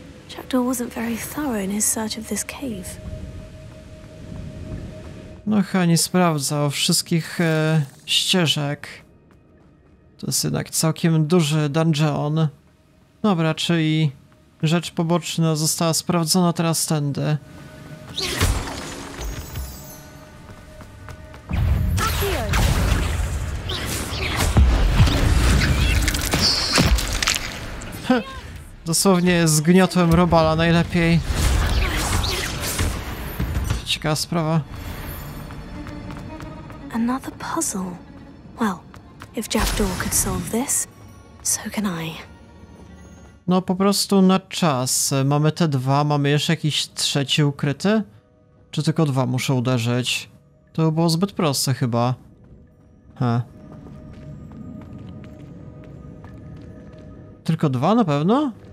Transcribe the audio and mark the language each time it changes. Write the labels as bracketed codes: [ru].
[en] Jackdaw wasn't very thorough in his search of this cave. [pl] No chyba nie sprawdzał wszystkich ścieżek. To jest jednak całkiem duży dungeon. Dobra, czyli rzecz poboczna została sprawdzona, teraz tędy. Dosłownie zgniotłem robala najlepiej. Ciekawa sprawa. [en] Another puzzle. Well, if Jackdaw could solve this, so can I. [pl] No po prostu na czas. Mamy te dwa, mamy jeszcze jakiś trzeci ukryty? Czy tylko dwa muszę uderzyć? To było zbyt proste chyba. Tylko dwa na pewno?